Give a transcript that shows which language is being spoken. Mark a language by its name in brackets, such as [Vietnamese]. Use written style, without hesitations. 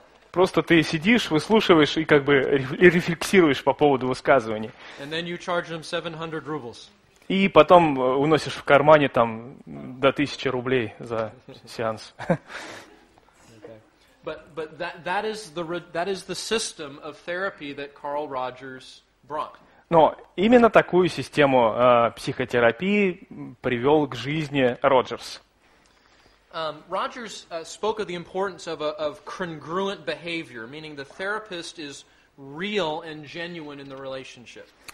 [Russian] Просто ты сидишь, выслушиваешь и как бы рефлексируешь по поводу высказываний. [English] And then you charge them 700 rubles. [Russian] И потом уносишь в кармане там до 1000 рублей за сеанс. [English] But that is the system of therapy that Carl Rogers brought. [Russian] Но именно такую систему психотерапии привел к жизни Роджерс. [English] Rogers spoke of the importance of congruent behavior, meaning the therapist is real and genuine in the relationship.